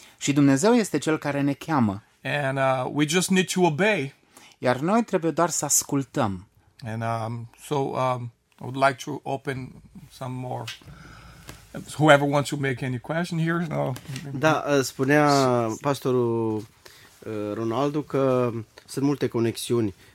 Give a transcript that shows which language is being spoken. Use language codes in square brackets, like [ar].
[ro] Și Dumnezeu este cel care ne cheamă. [en] And we just need to obey. [ro] Iar noi trebuie doar să ascultăm. [en] And I would like to open some more. Whoever wants to make any question here. No. [ro] Da, spunea pastorul Ronaldo că sunt multe conexiuni.